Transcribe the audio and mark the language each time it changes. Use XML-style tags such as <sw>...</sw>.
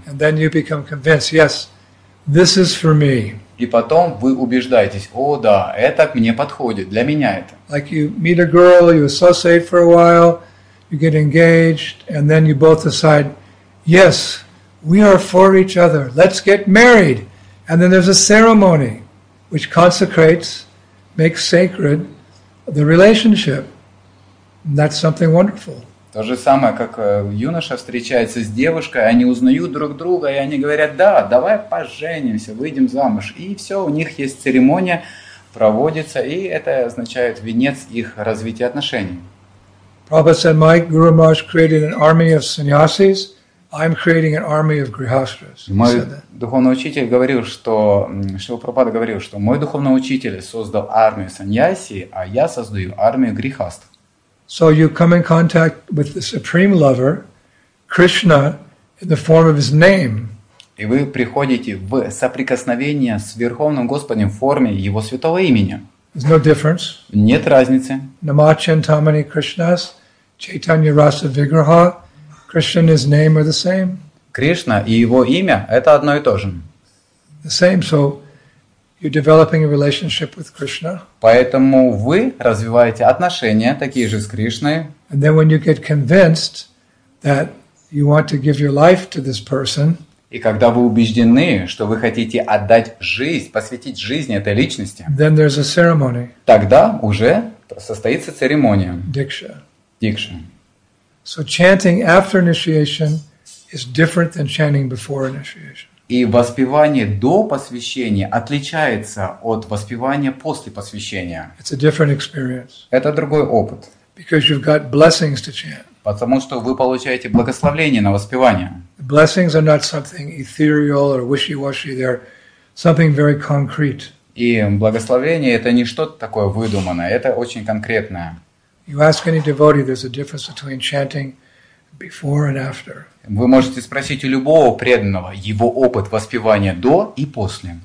<en>And then you become convinced, yes, this is for me.</en> <ru>И потом вы убеждаетесь, о да, это мне подходит, для меня это.</ru> <en>Like you meet a girl, you associate for a while, you get engaged, and then you both decide, yes, we are for each other, let's get married. And then there's a ceremony, which consecrates, makes sacred the relationship. And that's something wonderful.</en> <ru>То же самое, как юноша встречается с девушкой, они узнают друг друга, и они говорят, да, давай поженимся, выйдем замуж. И все, у них есть церемония, проводится, и это означает венец их развития отношений.</ru> <en>Prabhupada said, my Guru Maharaj created an army of sannyasis, I'm creating an army of grihastras.</en> <ru>Мой духовный учитель говорил, что Шрила Прабхупада говорил, что мой духовный учитель создал армию саньяси, а я создаю армию грихаст.</ru> <en>So you come in contact with the supreme lover, Krishna, in the form of his name.</en> <ru>И вы приходите в соприкосновение с Верховным Господом в форме Его святого имени.</ru> <en>There's no difference.</en> <ru>Нет разницы.</ru> <sa>Namachintamani Krishnas, Chaitanya Rasa Vigraha.</sa> <en>Krishna and his name are the same.</en> <ru>Кришна и его имя это одно и то же.</ru> <en>The same, so you're developing a relationship with Krishna.</en> <ru>Поэтому вы развиваете отношения такие же с Кришной.</ru> <en>And then when you get convinced that you want to give your life to this person,</en> <ru>и когда вы убеждены, что вы хотите отдать жизнь, посвятить жизнь этой личности,</ru> <en>then there's a ceremony.</en> <ru>Тогда уже состоится церемония. Дикша. Дикша.</ru> <en>So chanting after initiation is different than chanting before initiation.</en> <ru>И воспевание до посвящения отличается от воспевания после посвящения.</ru> <en>It's a different experience.</en> <ru>Это другой опыт.</ru> <en>Because you've got blessings to chant.</en> <ru>Потому что вы получаете благословение на воспевание.</ru> <en>The blessings are not something ethereal or wishy-washy. They're something very concrete.</en> <ru>И благословение это не что-то такое выдуманное. Это очень конкретное.</ru> <en>You ask any devotee, there's a difference between chanting before and after.</en> <ru>Вы можете спросить у любого преданного его опыт воспевания до и после.</ru>